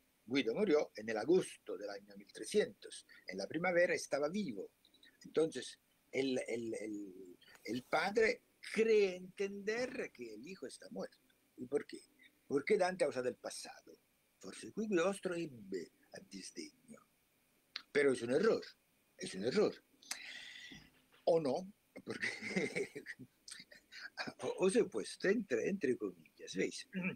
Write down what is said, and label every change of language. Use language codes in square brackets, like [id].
[es] Guido murió en el agosto del año 1300, en la primavera estaba vivo. Entonces, el padre cree entender que el hijo está muerto. ¿Y por qué? Porque Dante ha usado el pasado. [it] Forse qui Guido vostro ebbe a disdegno. [es] Pero es un error, es un error. ¿O no? Porque o se ha puesto entre comillas, ¿veis?